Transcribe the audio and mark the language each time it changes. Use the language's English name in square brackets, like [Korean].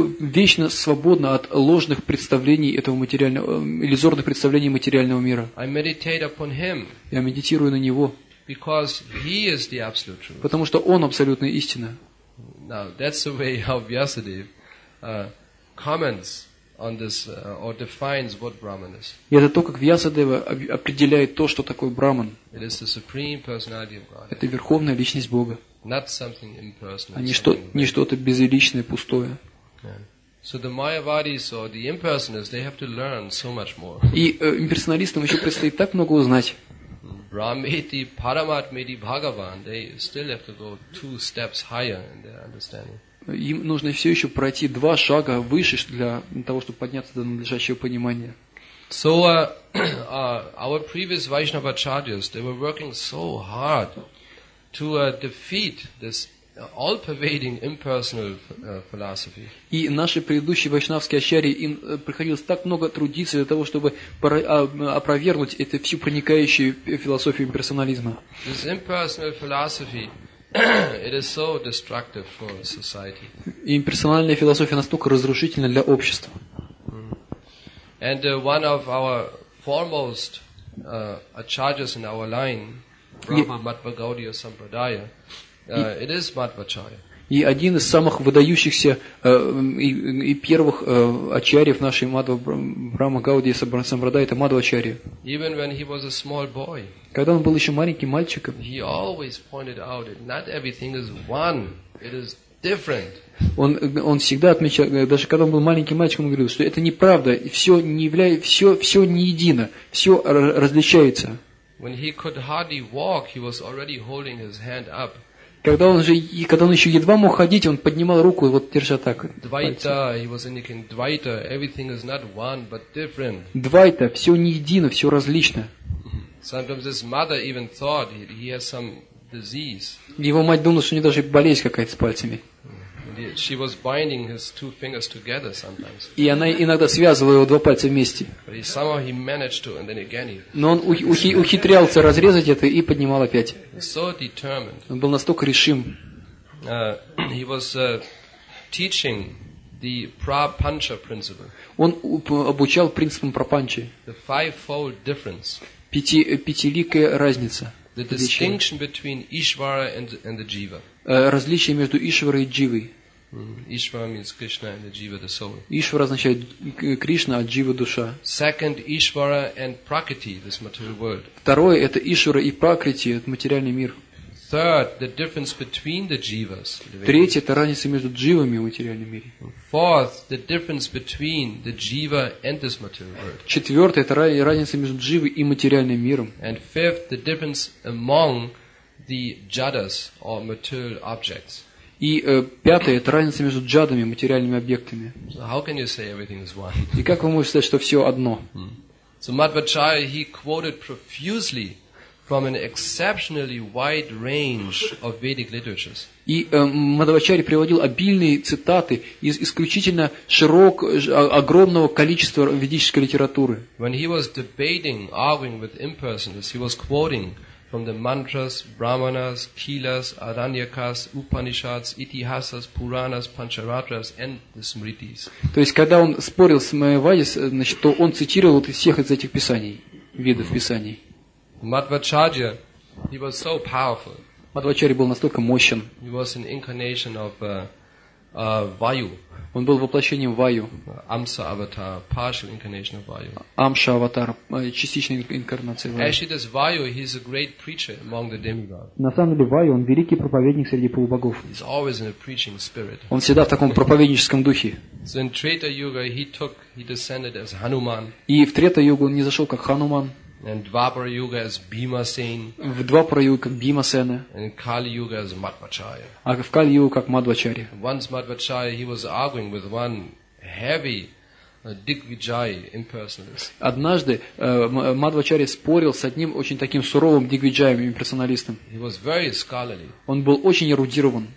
[Russian] вечно свободна от ложных представлений этого материального, иллюзорных представлений материального мира. Я медитирую на Него. [English] Because he is the absolute truth. [Russian] Потому что он абсолютная истина. [English] Now that's the way how Vyasadeva comments on this or defines what Brahman is. [Russian] Это то, как Вьясадева определяет то, что такое Брахман. [English] It is the supreme personality of God. [Russian] Это верховная личность Бога. [English] Not something impersonal. [Russian] А не что-то безличное, пустое. [English] So the Mayavadis or the impersonalists, they have to learn so much more. [Russian] И имперсоналистам еще предстоит так много узнать. [Sanskrit] Brahmeti, Paramatmeti, Bhagavan, [English] they still have to go two steps higher in their understanding. [Russian] Им нужно все еще пройти два шага выше для того, чтобы подняться до надлежащего понимания. [English] So our previous Vaishnava Acharyas, they were working so hard to defeat this all-pervading impersonal philosophy. [Russian] И наши предыдущие вайшнавские ачарьи, им приходилось так много трудиться для того, чтобы опровергнуть эту всю проникающую философию имперсонализма. [English] This impersonal philosophy, it is so destructive for society. [Russian] И имперсональная философия настолько разрушительна для общества. [English] And one of our foremost acharyas in our line, Brahma Madhva Gaudiya Sampradaya, it is Madhvacharya. [Russian] И один из самых выдающихся и первых ачарьев нашей Мадва Брахма Гаудии Сампрадая, это Мадхвачарья. [English] Even when he was a small boy, [Russian] когда он был еще маленьким мальчиком, [English] he always pointed out that not everything is one, it is different. [Russian] Он всегда отмечал, даже когда он был маленьким мальчиком, он говорил, что это неправда, все не является, все не едино, все различается. [English] When he could hardly walk, he was already holding his hand up. [Russian] Когда он еще едва мог ходить, он поднимал руку, вот держа так. [English] Двайта, he was indicating Двайта, everything is not one, but different. [Russian] Двайта, все не едино, все различно. [English] Sometimes his mother even thought he has some disease. [Russian] Его мать думала, что у него даже болезнь какая-то с пальцами. [English] She was binding his two fingers together sometimes. [Russian] И она иногда связывала его два пальца вместе. [English] But somehow he managed to, and then again he. [Russian] Но он ухитрялся разрезать это и поднимал опять. [English] So determined. [Russian] Он был настолько решим. [English] He was teaching the Prapancha principle. [Russian] Он обучал принципам Прапанчи. [English] The fivefold difference. [Russian] Пятиликая разница. [English] The distinction between Ishvara and the Jiva. [Russian] Различие между Ишварой и Дживой. [English] Ишвара means Krishna and the Jiva, the soul. [Russian] Ишвара означает Кришна, а Джива душа. [English] Second, Ишвара and Пракрити, this material world. [Russian] Второе это Ишвара и Пракрити, это материальный мир. [English] Third, the difference between the Jivas. [Russian] Третье это разница между Дживами в материальном мире. [English] Fourth, the difference between the Jiva and this material world. [Russian] Четвертое это разница между Дживой и материальным миром. [English] And fifth, the difference among the Jadas or material objects. [Russian] И пятое – это разница между джадами, материальными объектами. [English] So how can you say everything is one? [Russian] И как вы можете сказать, что все одно? [English] So Madhvacharya, he quoted profusely from an exceptionally wide range of Vedic literatures. [Russian] И Мадхвачарья приводил обильные цитаты из исключительно огромного количества ведической литературы. [English] When he was debating, arguing with impersonalists, he was quoting from the mantras, brahmanas, kilas, aranyakas, upanishads, itihasas, puranas, pancharatras and the smritis. [Russian] То есть когда он спорил с Майавадис, значит, то он цитировал вот из всех из этих писаний, видов писаний. [English] Madhvacharya, he was so powerful. [Russian] Madhvacharya был настолько мощен. [English] He was an incarnation of Vayu. [Russian] Он был воплощением Ваю. [English] Амса аватар, partial incarnation of Vayu. [Russian] Амша аватар, частичная инкарнация Ваю. [English] Actually, this Vayu, he is a great preacher among the demigods. [Russian] На самом деле Ваю, он великий проповедник среди полубогов. [English] He's always in a preaching spirit. [Russian] Он всегда в таком проповедническом духе. [English] So in Treta Yuga, he descended as Hanuman. [Russian] И в Трета Югу он не зашел как Хануман. [English] And Dvapara Yuga as Bhimasen. [Russian] В Двапара Юга как Бхимасена. [English] And Kali Yuga as Madhvacharya. [Russian] А в Кали Югу как Мадхвачарья. [English] Once Madhvacharya, he was arguing with one heavy [Russian] Дигвиджай имперсоналист. Однажды Мадвачари спорил с одним очень таким суровым Дигвиджаем имперсоналистом. [English] He was very scholarly. [Russian] Он был очень эрудирован.